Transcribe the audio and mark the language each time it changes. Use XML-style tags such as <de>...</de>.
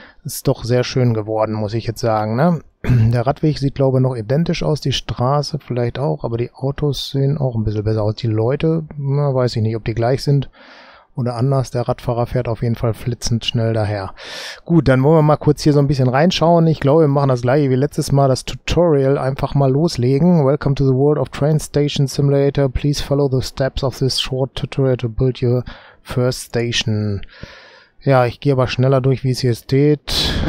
<de>Ist doch sehr schön geworden, muss ich jetzt sagen, ne? Der Radweg sieht, glaube ich, noch identisch aus, die Straße vielleicht auch, aber die Autos sehen auch ein bisschen besser aus. Die Leute, na, weiß ich nicht, ob die gleich sind oder anders. Der Radfahrer fährt auf jeden Fall flitzend schnell daher. Gut, dann wollen wir mal kurz hier so ein bisschen reinschauen. Ich glaube, wir machen das gleiche wie letztes Mal, das Tutorial einfach mal loslegen.</de> <en>Welcome to the world of Train Station Simulator. Please follow the steps of this short tutorial to build your first station.</en> <de>Ja, ich gehe aber schneller durch, wie es hier steht.</de>